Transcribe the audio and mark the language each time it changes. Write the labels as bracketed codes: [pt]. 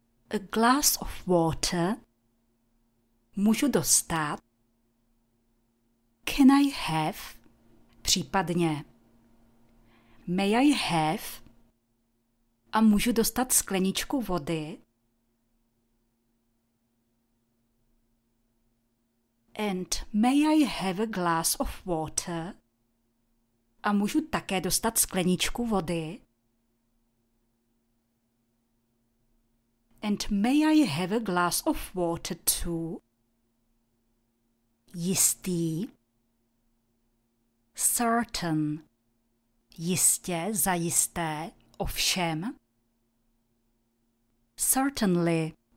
[en] A glass of water. Můžu dostat? Can I have? Případně. May I have? [cs] A můžu dostat skleničku vody? [en] And may I have a glass of water? [cs] A můžu také dostat skleničku vody? [en] And may I have a glass of water too? [cs] Jistý? Certain. Jistě, zajisté, ovšem. Certainly.